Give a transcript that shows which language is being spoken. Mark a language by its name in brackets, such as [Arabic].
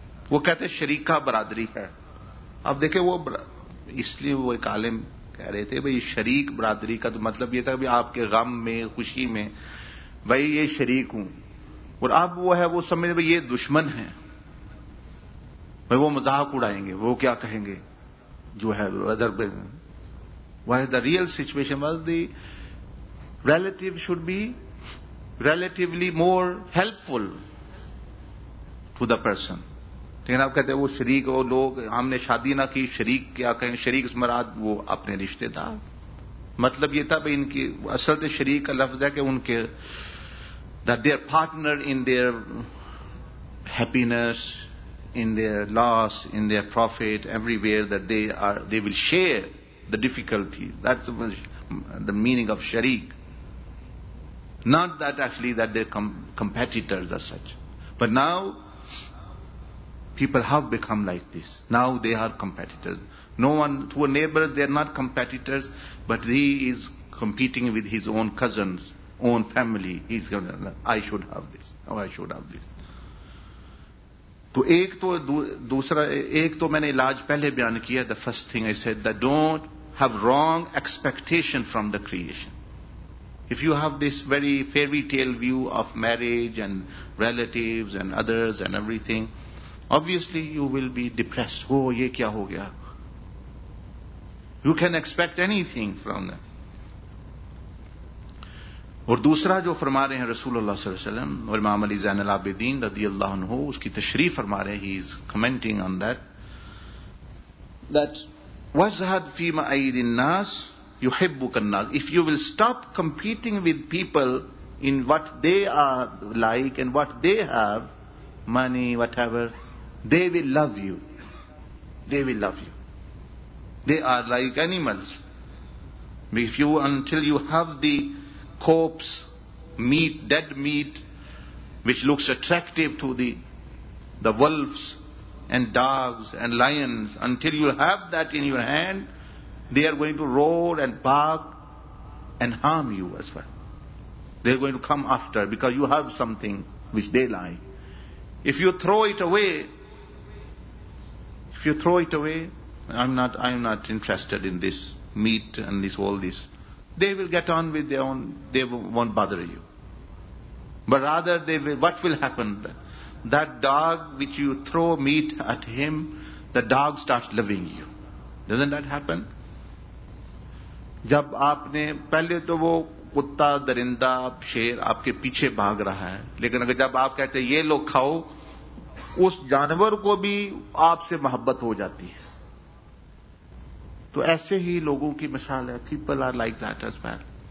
[Urdu] وہ کہتے ہیں شریکہ برادری ہے. اب دیکھیں وہ اس لیے وہ ایک عالم کہہ رہے تھے, بھئی شریک برادری کا تو مطلب یہ تھا کہ آپ کے غم میں خوشی میں بھئی یہ شریک ہوں, اور اب وہ ہے وہ سمجھ بھئی یہ دشمن ہیں, بھئی وہ مذاق اڑائیں گے, وہ کیا کہیں گے جو ہے ادر بے. [English] Why the real situation was, the relative should be relatively more helpful to the person. [Urdu] لیکن آپ کہتے ہیں وہ شریک, وہ لوگ ہم نے شادی نہ کی, شریک کیا کہیں, شریک اس مراد وہ اپنے رشتے دار, مطلب یہ تھا بھائی ان کی اصل میں شریک کا لفظ ہے کہ ان کے [English] that their partner in their happiness, in their loss, in their profit, everywhere that they will share the difficulty. That's the meaning of shariq. Not that actually that they're competitors as such. But now, people have become like this. Now they are competitors. No one, to a neighbor, they are not competitors, but he is competing with his own cousins, own family. He's going, I should have this, oh, I should have this. [Urdu] تو ایک تو دوسرا, ایک تو میں نے علاج پہلے بیان کیا, [English] the first thing I said that don't have wrong expectation from the creation. If you have this very fairy tale view of marriage and relatives and others and everything, obviously you will be depressed. Oh, [Urdu] یہ کیا ہو گیا. [English] You can expect anything from them. [Urdu] اور دوسرا جو فرما رہے ہیں رسول اللہ صلی اللہ علیہ وسلم اور امام علی زین العابدین رضی اللہ عنہ, اس کی تشریح فرما رہے ہیں, [English] he is commenting on that, that [Arabic] وزہد فی ما اید الناس یحبک الناس. [English] If you will stop competing with people in what they are like and what they have money what ever, they will love you, they will love you, they are like animals. If you until you have the corpse, meat, dead meat, which looks attractive to the wolves and dogs and lions, until you have that in your hand, they are going to roar and bark and harm you as well. They are going to come after, because you have something which they like. If you throw it away, if you throw it away, I'm not interested in this meat and this all this, they will get on with their own, they won't bother you. But rather, they will, what will happen? That dog which you throw meat at him, the dog starts loving you. Doesn't that happen? [Urdu] جب آپ نے پہلے تو وہ کتا, درندہ, شیر آپ کے پیچھے بھاگ رہا ہے, لیکن اگر جب آپ کہتے یہ لو کھاؤ, اس جانور کو بھی آپ سے محبت ہو جاتی ہے. تو ایسے ہی لوگوں کی مثال ہے, [English] People are like that as well.